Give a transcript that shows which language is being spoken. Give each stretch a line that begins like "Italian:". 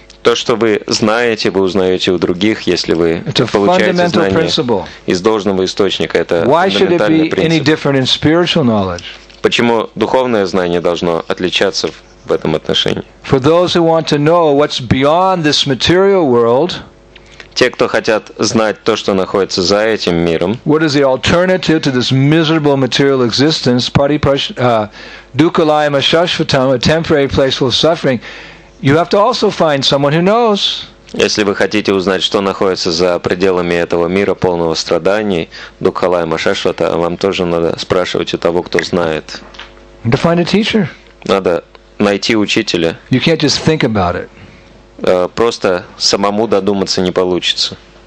Russian: То, что вы знаете, вы узнаете у других, если вы получаете знание из должного источника. Это фундаментальный принцип. Почему духовное знание должно отличаться в этом отношении?
English: For those who want to know what's beyond this material world.
Russian: Те, кто хотят знать то, что находится за этим миром.
English: What is the alternative to this miserable material existence?
Sanskrit: Dukkhalayam ashashvatam,
English: a temporary place full of suffering. You have to also find someone who knows.
Russian: Если вы хотите узнать, что находится за пределами этого мира полного страданий,
Sanskrit: Dukkhalayam ashashvatam,
Russian: вам тоже надо спрашивать у того, кто знает.
English: To find a teacher.
Russian: Надо найти учителя.
English: You can't just think about it.
Russian: Просто самому додуматься не получится.